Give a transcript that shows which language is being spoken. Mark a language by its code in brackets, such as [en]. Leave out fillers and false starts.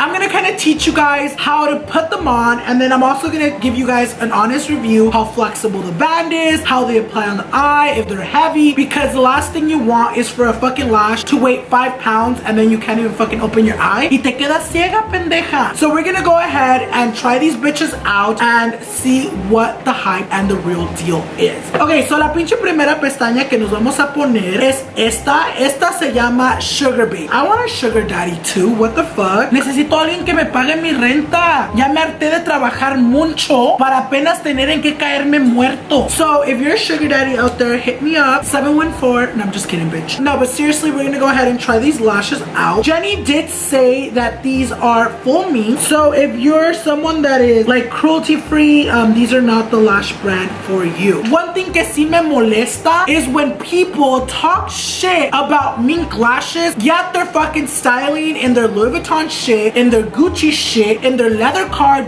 [en] I'm gonna kind of teach you guys how to put them on, and then I'm also gonna give you guys an honest review how flexible the band is, how they apply on the eye, if they're heavy, because the last thing you want is for a fucking lash to weigh 5 pounds and then you can't even fucking open your eye. [es] Y te quedas ciega, pendeja. [en] So we're gonna go ahead and try these bitches out and see what the hype and the real deal is. [es] Okay, so la pinche primera pestaña que nos vamos a poner es esta. Esta se llama [en] Sugar Baby. I want a sugar daddy too. What the fuck? [es] Necesito alguien que me pague mi renta. Ya me harté de trabajar mucho para apenas tener en que caerme muerto. [en] So if you're a sugar daddy out there, hit me up. 714. No, I'm just kidding, bitch. No, but seriously, we're gonna go ahead and try these lashes out. Jenny did say that these are full me. So if you're someone that is like cruelty free, these are not the lash brand for you. One thing [es] que sí me molesta [en] is when people talk shit about mink lashes, yet they're fucking styling in their Louis Vuitton shit, in their Gucci shit, in their leather car.